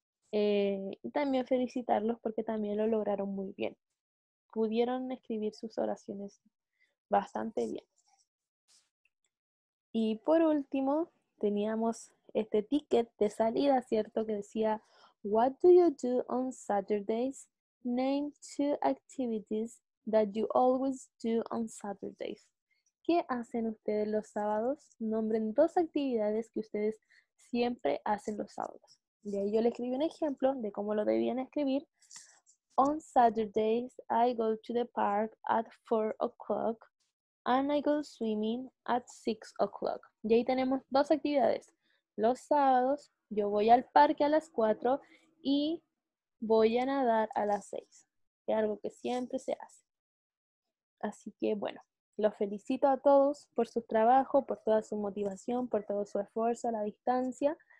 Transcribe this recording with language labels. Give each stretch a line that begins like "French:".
Spanish: Y también felicitarlos porque también lo lograron muy bien. Pudieron escribir sus oraciones bastante bien. Y por último, teníamos este ticket de salida, ¿cierto? Que decía,
English: What do you do on Saturdays? Name 2 activities that you always do on Saturdays.
Spanish: ¿Qué hacen ustedes los sábados? Nombren 2 actividades que ustedes siempre hacen los sábados. De ahí yo le escribí un ejemplo de cómo lo debían escribir.
English: On Saturdays, I go to the park at 4 o'clock and I go swimming at 6 o'clock.
Spanish: Y ahí tenemos 2 actividades. Los sábados, yo voy al parque a las 4 y voy a nadar a las 6, que es algo que siempre se hace. Así que bueno, los felicito a todos por su trabajo, por toda su motivación, por todo su esfuerzo a la distancia.